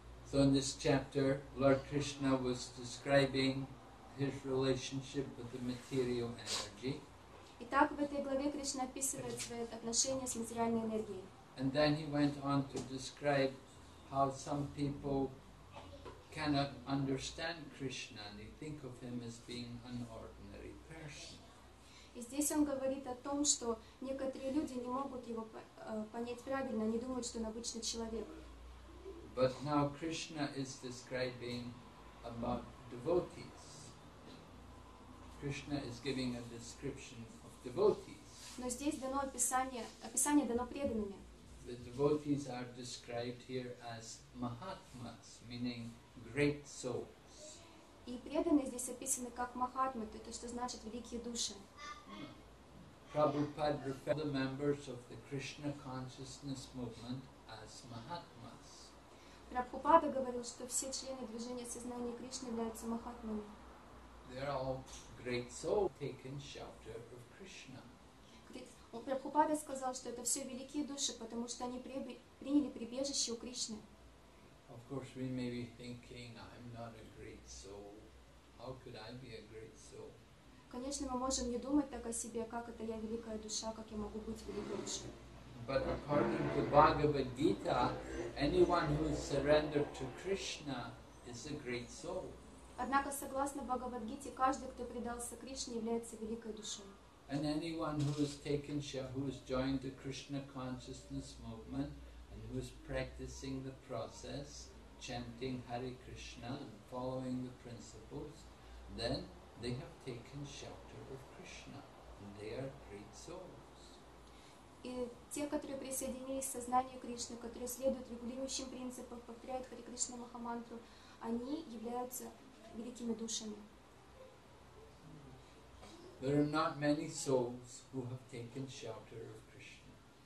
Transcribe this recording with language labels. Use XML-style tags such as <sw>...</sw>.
<en>So in this chapter, Lord Krishna was describing his relationship with the material energy.</en> <ru>Итак, в этой главе Кришна описывает свои отношения с материальной энергией.</ru> <en>And then he went on to describe how some people cannot understand Krishna and they think of him as being an ordinary person.</en> <ru>И здесь он говорит о том, что некоторые люди не могут его понять правильно, они думают, что он обычный человек.</ru> <en>But now Krishna is describing about devotees. Krishna is giving a description of devotees.</en> <ru>Но здесь дано описание дано преданными.</ru> <en>The devotees are described here as mahatmas, meaning great souls.</en> <ru>И преданные здесь описаны как махатмы, то что значит великие души.</ru> <en>Prabhupada referred the members of the Krishna consciousness movement as mahatmas.</en> <ru>Прабхупада говорил, что все члены движения сознания Кришны являются махатмами.</ru> <en>They are all great souls taking shelter of Krishna.</en> <ru>Прабхупада сказал, что это все великие души, потому что они приняли прибежище у Кришны.</ru> <en>Of course, we may be thinking, I'm not a great soul. How could I be a great soul?</en> <ru>Конечно, мы можем не думать так о себе, как это я великая душа, как я могу быть великой душой.</ru> <en>But according to Bhagavad Gita, anyone who is surrendered to Krishna is a great soul.</en> <ru>Однако, согласно Бхагавад-гите, каждый, кто предался Кришне, является великой душой.</ru> <en>And anyone who has taken shelter, who has joined the Krishna consciousness movement, and who is practicing the process, chanting Hare Krishna and following the principles, then they have taken shelter of Krishna, and they are great souls.</en> <ru>И те, которые присоединились к сознанию Кришны, которые следуют регулирующим принципам, повторяют Хари Кришна Махамантру, они являются великими душами.</ru> <en>There are not many souls who have taken shelter of Krishna.</en>